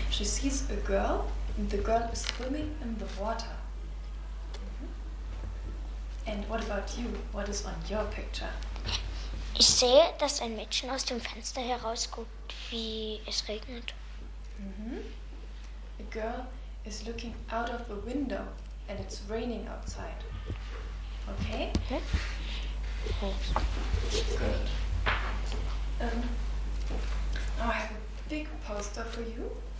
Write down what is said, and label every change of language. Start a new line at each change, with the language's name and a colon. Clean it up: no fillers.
English: She sees a girl and the girl is swimming in the water. Mm-hmm. And what about you? What is on your picture?
German: Ich sehe, dass ein Mädchen aus dem Fenster herausguckt, wie es regnet.
English: A girl is looking out of the window and it's raining outside. Okay? Good. Now I have a big poster for you.